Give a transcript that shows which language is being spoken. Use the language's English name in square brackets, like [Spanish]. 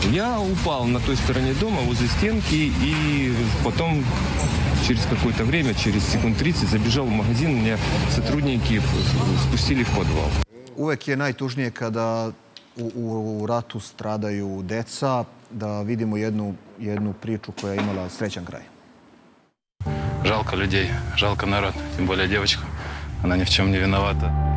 [Russian] Я упал на той стороне дома, возле стенки, и потом через какое-то время, через секунд 30, забежал в магазин, мне сотрудники спустили в подвал. [Serbian] Увек је најтужније када у рату страдају деца, да видимо једну причу која имала срећан крај. [Russian] Жалко людей, жалко народ, тем более девочку, она ни в чем не виновата.